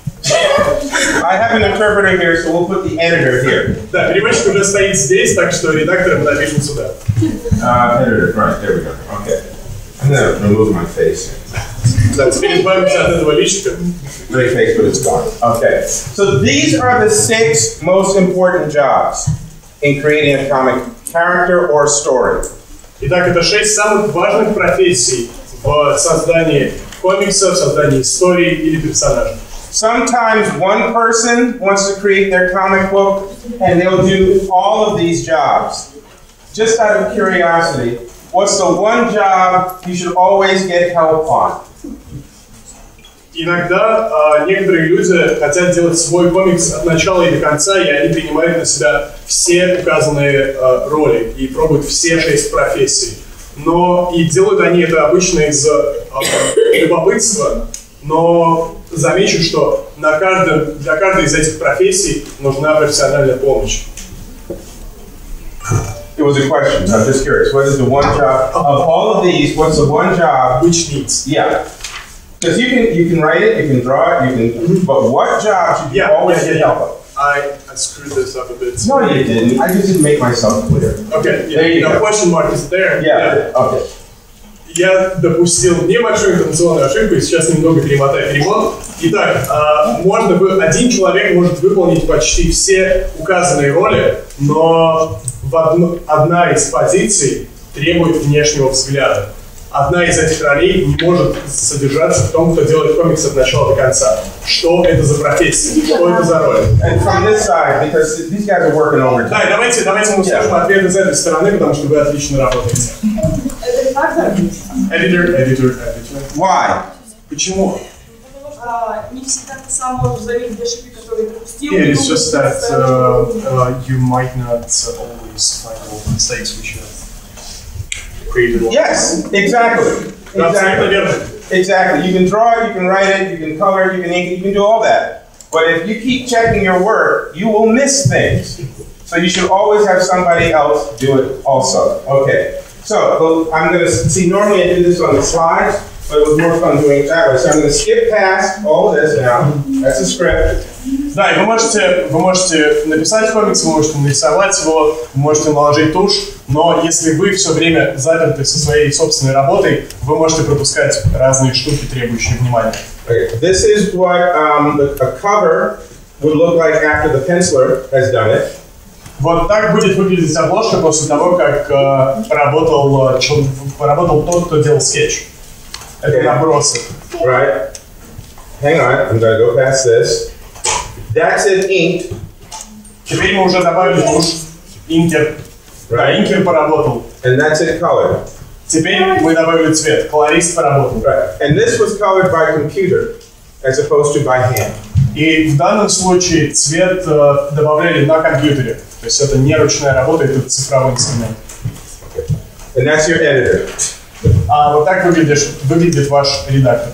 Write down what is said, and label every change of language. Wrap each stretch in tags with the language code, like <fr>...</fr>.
<en>I have an interpreter here, so we'll put the editor here.</en> <ru>Да, переводчик уже стоит здесь, так что редактором напишем сюда.</ru> <en>Editor, right, there we go. Okay. I'm going to remove my face.</en> <ru>Да, теперь избавимся от этого личика.</ru> <en>Great face, but it's gone. Okay. So these are the six most important jobs in creating a comic character or story. Итак, это шесть самых важных профессий в создании комиксов, создании истории или персонажа. Sometimes one person wants to create their comic book and they'll do all of these jobs. Just out of curiosity, what's the one job you should always get help on?</en> <ru>Иногда некоторые люди хотят делать свой комикс от начала и до конца, и они принимают на себя все указанные роли и пробуют все шесть профессий. Но и делают они это обычно из любопытства, но замечу, что на каждом, для каждой из этих профессий нужна профессиональная помощь.</ru> <en>It was a question. I'm just curious. What is the one job of all of these? What's the one job which needs? Yeah, because you can write it, you can draw it, you can. But what job should you always get help of? I screwed this up a bit. No, you didn't. I just didn't make myself clear. Okay. Yeah, there you go. Question mark is there. Yeah. Okay.</en> <ru>Я допустил небольшую интонационную ошибку, и сейчас немного перемотаю перевод. Итак, один человек может выполнить почти все указанные роли, но одна из позиций требует внешнего взгляда. одна из этих ролей не может содержаться в том, кто делает комикс от начала до конца. Что это за профессия? Что это за роль?</ru> <en>And from this side, because these guys are working overtime.</en> <ru>Да, давайте мы услышим ответ из этой стороны, потому что вы отлично работаете.</ru> <en>Editor. Why?</en> <ru>Почему? Не всегда ты сам можешь заметить ошибки, которые допустил.</ru> <en>Yeah, it's just that you might not always find all the mistakes which you have created. Yes, exactly. Exactly. You can draw it, you can write it, you can color it, you can ink it, you can do all that. But if you keep checking your work, you will miss things. So you should always have somebody else do it also. Okay. So I'm going to see. Normally I do this on the slides. But it was more fun doing it that way. So I'm going to skip past all of this now. That's the script.</en> <ru>Да, и вы можете написать комикс, вы можете нарисовать его, вы можете наложить тушь, но если вы все время заперты со своей собственной работой, вы можете пропускать разные штуки, требующие внимания.</ru> <en>Okay. This is what a cover would look like after the penciler has done it.</en> <ru>Вот так будет выглядеть обложка после того, как поработал тот, кто делал скетч. Okay. Это набросы.</ru> <en>Right. Hang on, I'm going to go past this. That's it, inked.</en> <ru>Теперь мы уже добавили тушь. Инкер.</ru> <en>Right.</en> <ru>Да, инкер поработал.</ru> <en>And that's it, color.</en> <ru>Теперь мы добавили цвет. Колорист поработал.</ru> <en>Right. And this was colored by computer, as opposed to by hand.</en> <ru>И в данном случае цвет добавляли на компьютере. То есть это не ручная работа, это цифровой инструмент.</ru> <en>Okay. And that's your editor.</en> <ru>Вот так выглядит ваш редактор.</ru>